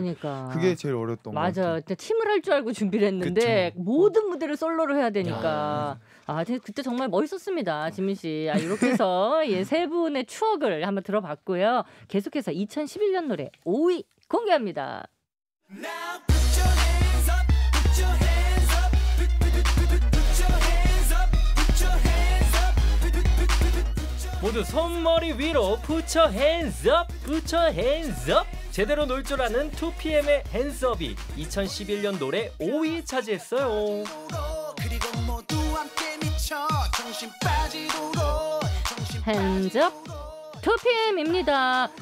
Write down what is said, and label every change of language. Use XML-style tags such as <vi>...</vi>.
<ko>그러니까 그게 제일 어려웠던 거 맞아요. 팀을 할 줄 알고 준비를 했는데 그쵸. 모든 무대를 솔로로 해야 되니까 아, 그때 정말 멋있었습니다. 지민 씨. 아, 이렇게 해서 예, 세 분의 추억을 한번 들어봤고요. 계속해서 2011년 노래 5위 공개합니다.</ko> <en>Now put your hands up, put your hands up, put your hands up, put your hands up, put your hands up, put your hands up, put your hands up.</en> <ko>모두 손머리 위로</ko> <en>put your hands up,</en> <ko>put your hands up. 제대로 놀 줄 아는 2PM의 핸즈업이 2011년 노래 5위 차지했어요. 그리고 모두 함께 미쳐 정신 빠지도록 핸즈업 2PM입니다.</ko>